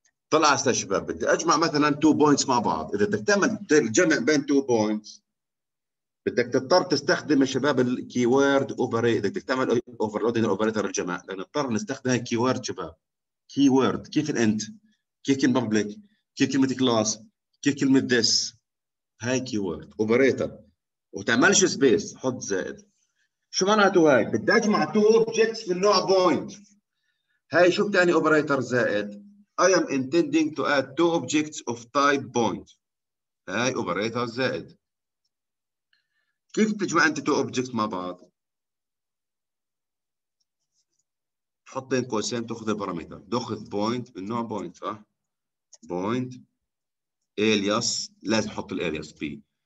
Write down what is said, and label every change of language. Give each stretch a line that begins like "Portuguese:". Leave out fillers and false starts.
Arabic: طلع يا شباب بدي اجمع مثلا
English: two points
Arabic: مع بعض، اذا بدك تعمل جمع بين two points بدك تضطر تستخدم الشباب الكيورد اوبريت، بدك تعمل اوفرلودنج الاوبريتر الجمع، لان اضطر نستخدم الكيورد شباب. كيورد كيف الانت، كيف كلمة public، كيف كلمة class، كيف كلمة this، هاي كيورد اوبريتر. وتعملش سبيس، حط زائد. شو معناته هاي؟ بدي اجمع
English: two objects
Arabic: من نوع بوينت. هاي شو بتعني اوبريتر زائد؟
English: I am intending to add two objects of type point.
Arabic: هاي اوبريتر زائد. كيف بتجمع انت تو اوبجكتس مع بعض؟ تحط بين قوسين تاخذ البارامتر، تاخذ بوينت من نوع بوينت صح؟ بوينت الياس، لازم احط الالياس بي.